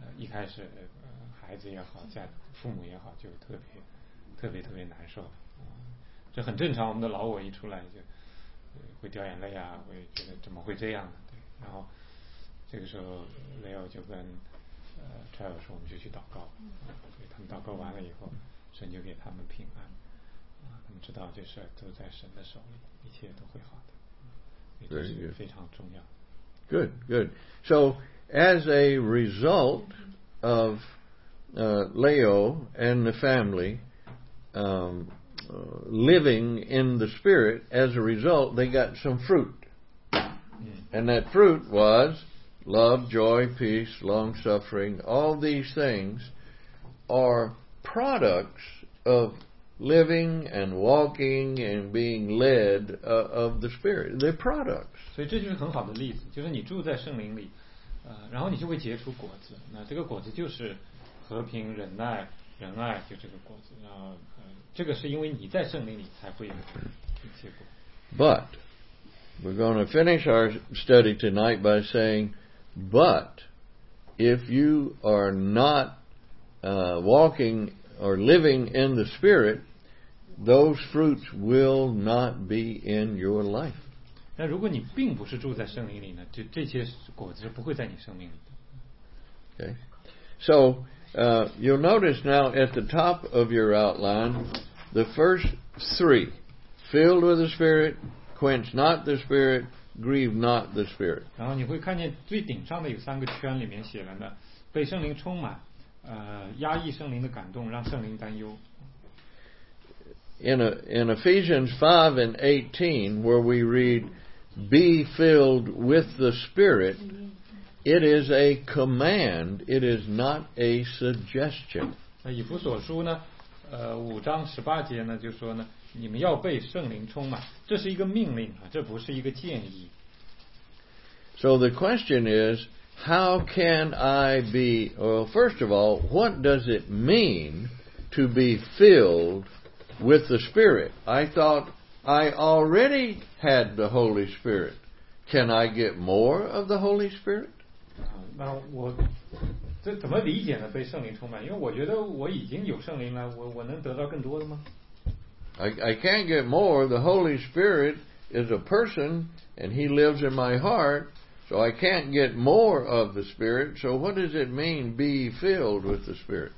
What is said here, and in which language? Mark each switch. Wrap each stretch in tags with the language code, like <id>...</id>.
<zh>开始孩子也好家父母也好就特别特别特别难受，这很正常，我们的老我一出来就会掉眼泪啊，会觉得怎么会这样，对，然后这个时候 Leo 就跟Trail 说我们就去祷告，所以他们祷告完了以后神就给他们平安，他们知道就是都在神的手里，一切都会好的，这是非常重要。</zh> <en>Good, good. So as a result of Leo and the family living in the spirit, as a result they got some fruit, and that fruit was love, joy, peace, long suffering. All these things are products of living and walking and being led of the spirit. They're products.</en> <zh>所以这就是很好的例子，就是你住在圣灵里，然后你就会结出果子。那这个果子就是和平、忍耐、仁爱，就这个果子。然后这个是因为你在圣灵里才会有结果。</zh> <en>But we're going to finish our study tonight by saying, but if you are not walking or living in the Spirit, those fruits will not be in your life.</en> <zh>那如果你并不是住在圣灵里呢，就这些果子不会在你生命里的。</zh> <en>Okay. So you'll notice now at the top of your outline, the first three, filled with the Spirit, quench not the Spirit, grieve not the Spirit.</en> <zh>然后你会看见最顶上的有三个圈，里面写了呢，被圣灵充满，压抑圣灵的感动，让圣灵担忧。</zh> <en>In Ephesians 5 and 18, where we read, be filled with the Spirit, it is a command, it is not a suggestion.</en> <zh>以弗所书呢，五章十八节呢，就说呢，你们要被圣灵充满，这是一个命令啊，这不是一个建议。</zh> <en>So the question is, how can I be, well, first of all, what does it mean to be filled with the Spirit? I thought I already had the Holy Spirit. Can I get more of the Holy Spirit?</en> <zh>那我这怎么理解呢？被圣灵充满，因为我觉得我已经有圣灵了，我能得到更多的吗？</zh> <en>I can't get more. The Holy Spirit is a person and he lives in my heart, so I can't get more of the Spirit. So what does it mean, be filled with the Spirit?</en>